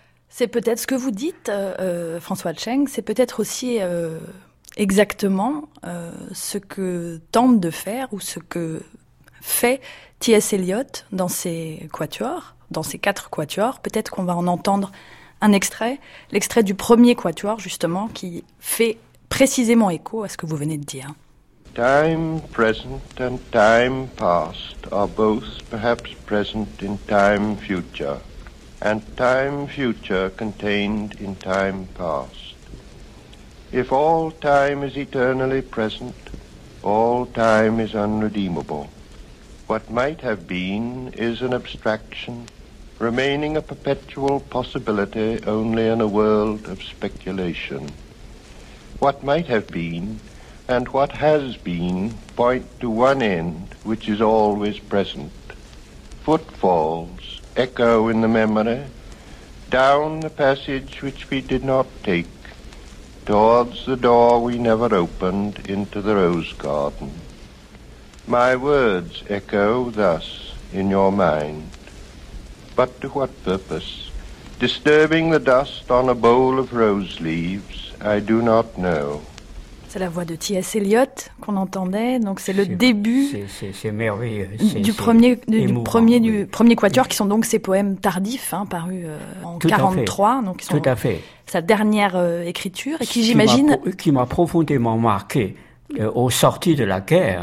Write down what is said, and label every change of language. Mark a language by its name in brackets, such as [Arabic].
[French] C'est peut-être ce que vous dites, François Cheng. C'est peut-être aussi exactement ce que tente de faire ou ce que fait T.S. Eliot dans ses quatuors, dans ses quatre quatuors. Peut-être qu'on va en entendre un extrait, l'extrait du premier quatuor, justement, qui fait précisément écho à ce que vous venez de dire. [English] Time present and time past are both perhaps present in time future, and time future contained in time past. If all time is eternally present, all time is unredeemable. What might have been is an abstraction, remaining a perpetual possibility only in a world of speculation. What might have been and what has been point to one end which is always present. Footfalls echo in the memory, down the passage which we did not take, towards the door we never opened into the rose garden. My words echo thus in your mind. But to what purpose? Disturbing the dust on a bowl of rose leaves, I do not know. [French] C'est la voix de T.S. Eliot qu'on entendait, donc c'est le début du premier quatuor, qui sont donc ses poèmes tardifs, hein, parus en 1943. Donc tout à fait. Sa dernière écriture, et qui j'imagine... Qui m'a profondément marqué aux sorties de la guerre.